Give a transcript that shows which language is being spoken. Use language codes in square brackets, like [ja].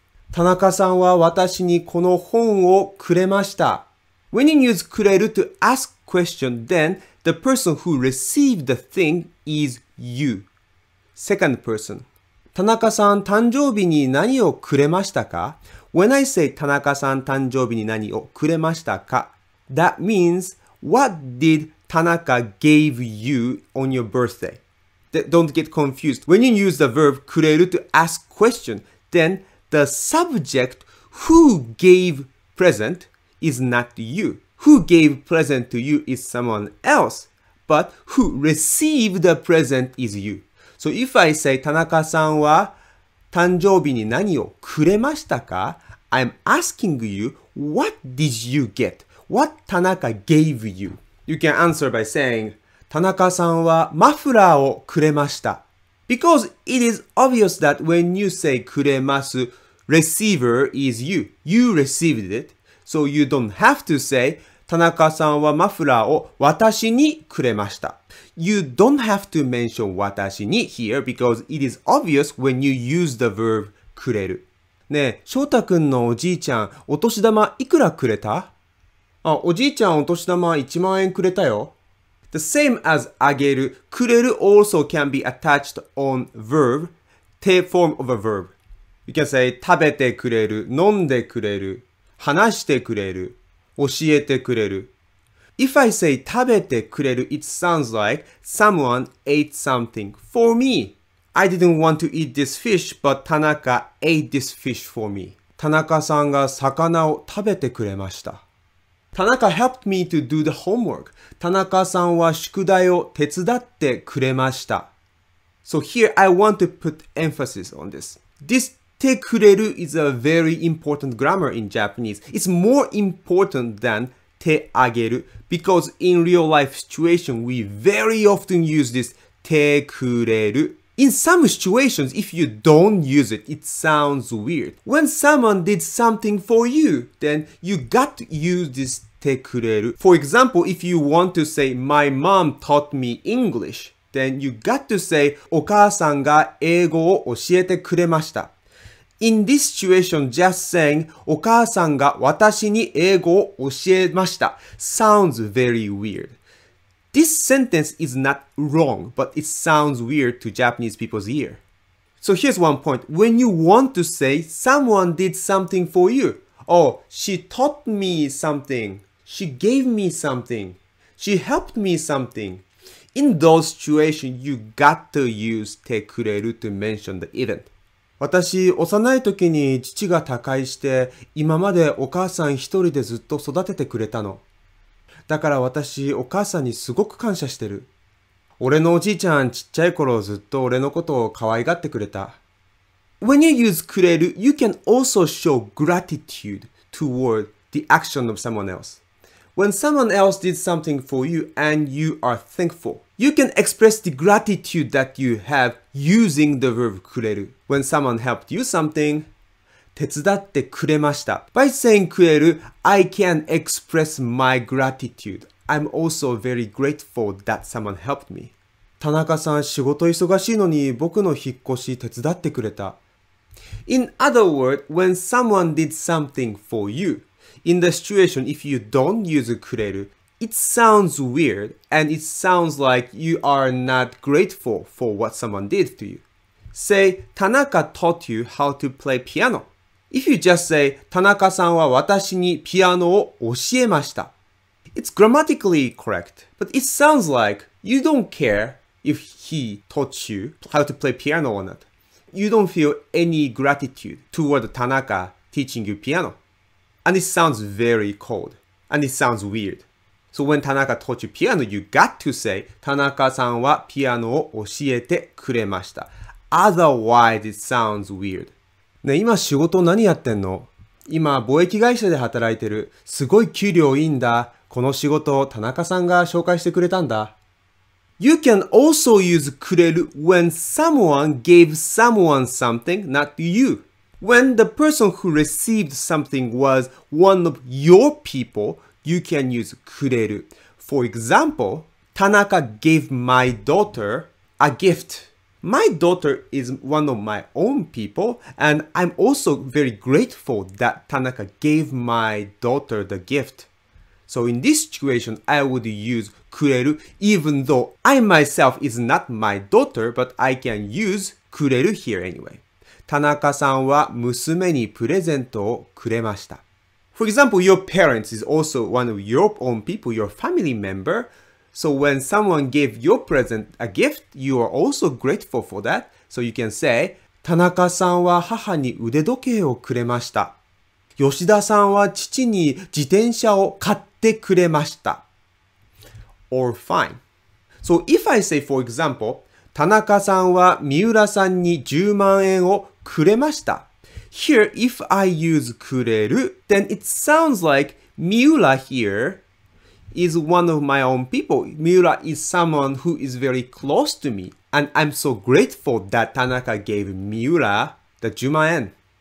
[ja] 田中さんは私にこの本をくれました。 [en] When you use くれる to ask question, then the person who received the thing is you. Second person. [ja] 田中さん誕生日に何をくれましたか? [en] When I say [ja] 田中さん誕生日に何をくれましたか? [en] That means, what did 田中 gave you on your birthday? Don't get confused. When you use the verb くれる to ask question, then the subject who gave present,is not you. Who gave present to you is someone else, but who received the present is you. So if I say [ja] 田中さんは誕生日に何をくれましたか? [en] I'm asking you, What did you get? What Tanaka gave you? You can answer by saying, [ja] 田中さんはマフラーをくれました。 [en] Because it is obvious that when you say くれます, receiver is you. You received it. So you don't have to say, [ja] 田中さんはマフラーを私にくれました。 [en] You don't have to mention 私に here because it is obvious when you use the verb くれる。 [ja] ねえ、翔太くんのおじいちゃん、お年玉いくらくれた？あ、おじいちゃんお年玉1万円くれたよ。 [en] The same as あげる、くれる also can be attached on verb, te form of a verb. You can say [ja] 食べてくれる、飲んでくれる、話してくれる、教えてくれる。 [en] If I say 食べてくれる, it sounds like someone ate something for me. I didn't want to eat this fish, but Tanaka ate this fish for me. [ja] 田中さんが魚を食べてくれました。 [en] Tanaka helped me to do the homework. [ja] 田中さんは宿題を手伝ってくれました。 [en] So here I want to put emphasis on this. This てくれる is a very important grammar in Japanese. It's more important than てあげる because in real life situation we very often use this てくれる. In some situations, if you don't use it, it sounds weird. When someone did something for you, then you got to use this てくれる. For example, if you want to say my mom taught me English, then you got to say [ja] お母さんが英語を教えてくれました。 [en] In this situation, just saying, [ja] お母さんが私に英語を教えました [en] sounds very weird. This sentence is not wrong, but it sounds weird to Japanese people's ear. So here's one point. When you want to say someone did something for you, oh, she taught me something, she gave me something, she helped me something. In those situations, you got to use てくれる to mention the event. [ja] 私、幼い時に父が他界して、今までお母さん一人でずっと育ててくれたの。だから私、お母さんにすごく感謝してる。俺のおじいちゃん、ちっちゃい頃ずっと俺のことを可愛がってくれた。 [en] When you use くれる, you can also show gratitude toward the action of someone else. When someone else did something for you and you are thankful, you can express the gratitude that you have using the verb くれる. When someone helped you something, [ja] 手伝ってくれました。 [en] By saying くれる, I can express my gratitude. I'm also very grateful that someone helped me. [ja] 田中さん仕事忙しいのに僕の引っ越し手伝ってくれた。 [en] In other words, when someone did something for you, in the situation if you don't use くれる, it sounds weird and it sounds like you are not grateful for what someone did to you. Say, Tanaka taught you how to play piano. If you just say, [ja] Tanaka さんは私にピアノを教えました. [en] It's grammatically correct, but it sounds like you don't care if he taught you how to play piano or not. You don't feel any gratitude toward Tanaka teaching you piano. And it sounds very cold. And it sounds weird. So when Tanaka taught you piano, you got to say, [ja] Tanaka さんはピアノを教えてくれました. [en] Otherwise, it sounds weird. [ja] ね、今仕事何やってんの？今貿易会社で働いてる。すごい給料いいんだ。この仕事を田中さんが紹介してくれたんだ。 [en] You can also use くれる when someone gave someone something, not you. When the person who received something was one of your people, you can use くれる. For example, 田中 gave my daughter a gift. My daughter is one of my own people, and I'm also very grateful that Tanaka gave my daughter the gift. So in this situation, I would use くれる even though I myself is not my daughter, but I can use くれる here anyway. [ja] 田中さんは娘にプレゼントをくれました。 [en] For example, your parents is also one of your own people, your family member. So when someone gave your present a gift, you are also grateful for that. So you can say, [ja] 田中さんは母に腕時計をくれました。吉田さんは父に自転車を買ってくれました。 [en] Or fine. So if I say, for example, [ja] 田中さんは三浦さんに10万円をくれました。 [en] Here, if I use くれる, then it sounds like Miura here is one of my own people. Miura is someone who is very close to me. And I'm so grateful that Tanaka gave Miura the 10万円.